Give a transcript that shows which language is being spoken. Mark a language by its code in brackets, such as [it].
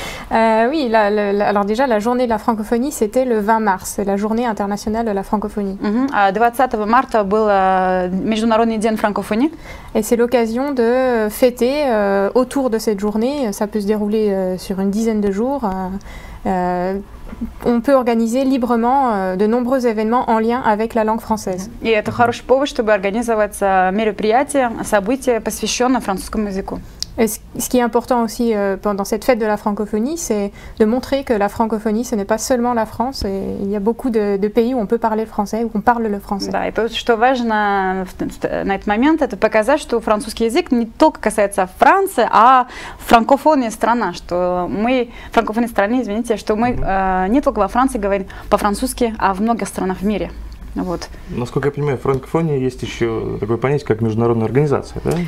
[fr] Oui, alors déjà, la journée de la francophonie, c'était le 20 mars, la journée internationale de la francophonie. [ru] 20 марта был международный день франкофонии. [fr] Et c'est l'occasion de fêter autour de cette journée, ça peut se dérouler sur une dizaine de jours. On peut organiser librement de nombreux événements en lien avec la langue française. [ru] И это хороший повод, чтобы организовать мероприятия, события, посвященные французскому языку. [fr] Et ce qui est important aussi pendant cette fête de la francophonie, c'est de montrer que la francophonie, ce n'est pas seulement la France. Et il y a beaucoup de pays où on peut parler français, où on parle le français. [ru] Да, это что важно на этот момент, это показать, что французский язык не только касается Франции, а франкофонная страна, что мы франкофонная страна, извините, что мы не только во Франции говорим по-французски, а в многих странах в мире. Вот. Насколько я понимаю, в франкофонии есть еще такое понятие, как международная организация, да?